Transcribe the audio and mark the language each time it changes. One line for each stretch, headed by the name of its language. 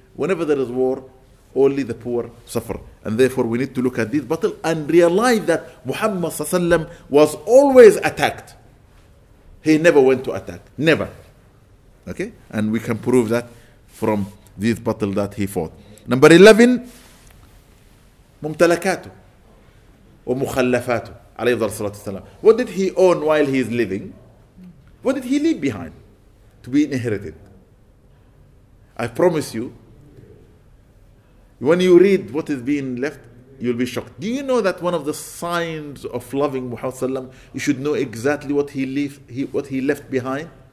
English: Whenever there is war, only the poor suffer. And therefore, we need to look at this battle and realize that Muhammad Sallallahu Alaihi Wasallam was always attacked. He never went to attack. Never. Okay? And we can prove that from this battle that he fought. Number 11,
Arabic: ممتلكاته ومخلفاته عليه الصلاة والسلام.
English: What did he own while he is living? What did he leave behind to be inherited? I promise you, when you read what is being left, you'll be shocked. Do you know that one of the signs of loving Muhammad Sallam, you should know exactly what he left behind?